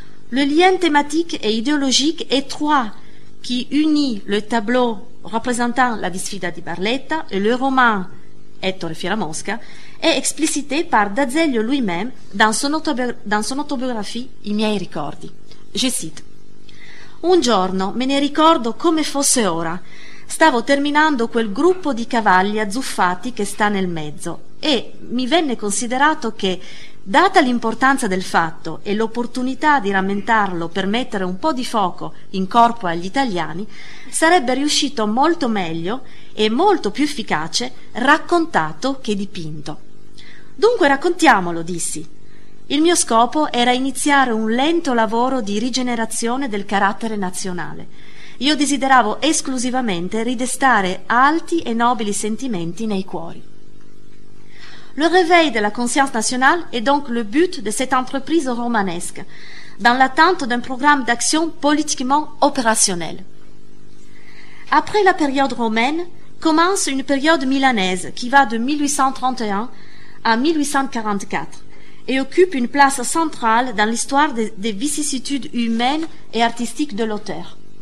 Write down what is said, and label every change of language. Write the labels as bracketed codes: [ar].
[fr] Le lien thématique et idéologique étroit qui unit le tableau représentant la Disfida di Barletta et le roman Ettore Firamosca est explicité par D'Azeglio lui-même dans son autobiographie I miei ricordi. Je cite: [it] «Un giorno me ne ricordo come fosse ora. Stavo terminando quel gruppo di cavalli azzuffati che sta nel mezzo e mi venne considerato che, data l'importanza del fatto e l'opportunità di rammentarlo per mettere un po' di fuoco in corpo agli italiani, sarebbe riuscito molto meglio e molto più efficace raccontato che dipinto. Dunque raccontiamolo», dissi. «Il mio scopo era iniziare un lento lavoro di rigenerazione del carattere nazionale. Io desideravo esclusivamente ridestare alti e nobili sentimenti nei cuori». [fr] Le réveil de la conscience nationale est donc le but de cette entreprise romanesque, dans l'attente d'un programme d'action politiquement opérationnel. Après la période romaine, commence une période milanaise qui va de 1831 à 1844 et occupe une place centrale dans l'histoire des vicissitudes humaines et artistiques de l'auteur.